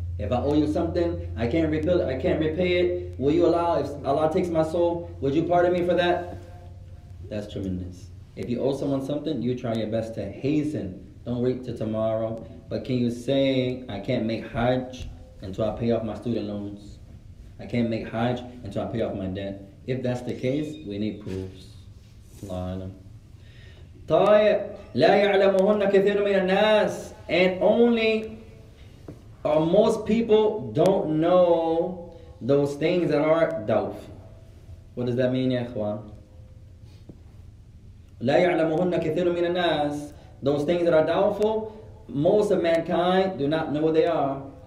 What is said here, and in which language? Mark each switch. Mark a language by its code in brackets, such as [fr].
[en] If I owe you something, I can't repay it. Will you allow, if Allah takes my soul, would you pardon me for that? That's tremendous. If you owe someone something, you try your best to hasten. Don't wait till tomorrow. But can you say, I can't make Hajj until I pay off my student loans? I can't make Hajj until I pay off my debt. If that's the case, we need proofs. [ar] Allah alam. طيب لا يعلمهن كثير من الناس. [en] And only or most people don't know those things that are doubt. What does that mean, ya ikhwan? [ar] لا يعلمهن كثير من الناس. [en] Those things that are doubtful, most of mankind do not know what they are.